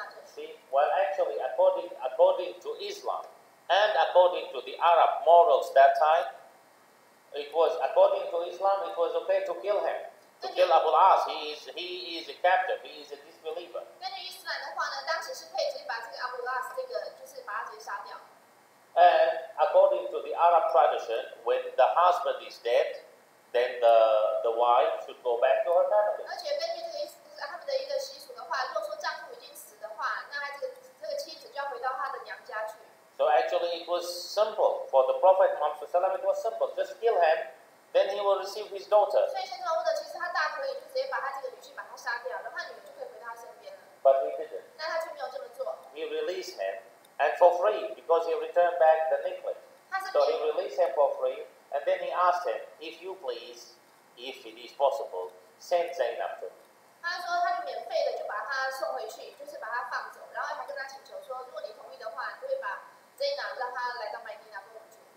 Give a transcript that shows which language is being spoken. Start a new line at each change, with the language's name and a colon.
English: See, well, actually, according to Islam and according to the Arab morals that time, it was according to Islam, it was okay to kill him, to kill Abu al-As. He is a captive. He is a disbeliever.
Chinese: 根据伊斯兰的话呢，当时是可以直接把这个 Abu al-As 这个就是把他直接杀掉。
English: And according to the Arab tradition, when the husband is dead. Then the wife should go back to her family.
Chinese: 而且根据这个他们的一个习俗的话，如果说丈夫已经死的话，那这个妻子就要回到她的娘家去。
English: So actually, it was simple for the Prophet Muhammad SAW. It was simple. Just kill him, then he will receive his daughter.
Chinese: 所以先知穆罕默德其实他大可以就直接把他这个女婿把他杀掉，然后他女儿就可以回到他身边了。
English: But he didn't.
Chinese: 但他却没有这么做。
English: He released him, and for free, because he returned back the necklace. So he released him for free. And then he asked him, if you please, if it is possible, send Zainab to me.
Chinese: 他说他就免费的就把他送回去，就是把他放走，然后还跟他请求说，如果你同意的话，你会把 Zainab 让他来到麦地那跟我住。